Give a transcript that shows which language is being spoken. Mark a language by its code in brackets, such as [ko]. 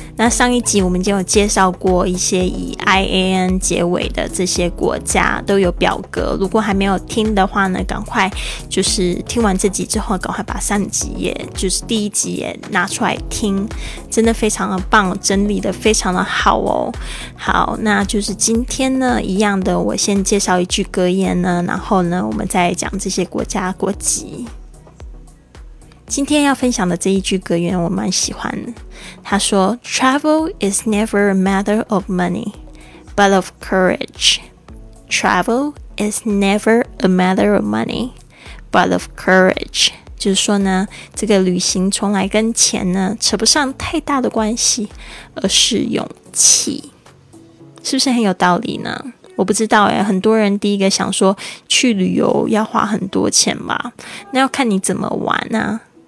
[zh] 那上一集我们就有介绍过一些以 an 结尾的这些国家，都有表格，如果还没有听的话呢，赶快就是听完这集之后赶快把上集也就是第一集也拿出来听，真的非常的棒，整理的非常的好哦。好，那就是今天呢一样的，我先介绍一句格言呢，然后呢我们再讲这些国家国籍。今天要分享的这一句格言我蛮喜欢，他说 [en] Travel is never a matter of money, but of courage. Travel is never a matter of money, but of courage. [zh] 就是说呢，这个旅行从来跟钱呢扯不上太大的关系，而是勇气。是不是很有道理呢？我不知道耶，很多人第一个想说去旅游要花很多钱吧，那要看你怎么玩啊。